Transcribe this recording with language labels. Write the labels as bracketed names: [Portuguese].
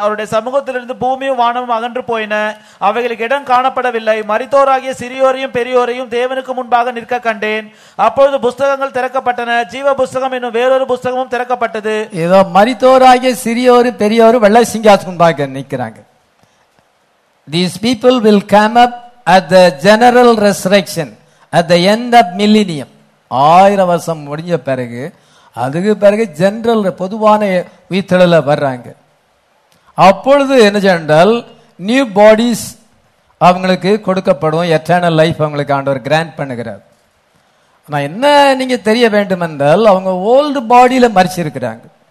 [Tamil] அவருடைய சமூகத்திலிருந்து பூமியும் வானமும் அகன்று போயின, அவைகளுக்கு இடம் காணப்படவில்லை. மரித்தோராகிய சிறியோரையும் பெரியோரையும் தேவனுக்கு முன்பாக நிற்க கண்டேன். அப்பொழுது புஸ்தகங்கள் திறக்கப்பட்டன, ஜீவ புஸ்தகம் என்னும் வேறொரு புஸ்தகமும் திறக்கப்பட்டது. ஏதோ மரித்தோராகிய சிறியோரும் பெரியோரும் வெள்ளை சிங்காசனம் பாக்க நிற்கிறாங்க. [English] These people will come up at the general resurrection. At the end of millennium, [Tamil] 1000 வருஷம் முடிஞ்ச பிறகு, அதுக்கு பிறகு ஜென்ரல் பொதுவான உயிர்த்தெழல வர்றாங்க. அப்பொழுது என்ன சொன்னால், நியூ பாடிஸ் அவங்களுக்கு கொடுக்கப்படும். எட்டர்னல் லைஃப் அவங்களுக்கு ஆண்டவர் கிராண்ட் பண்ணுகிறார். ஆனால் என்ன நீங்கள் தெரிய வேண்டும் என்றால், அவங்க ஓல்டு பாடியில் மறிச்சிருக்கிறாங்க.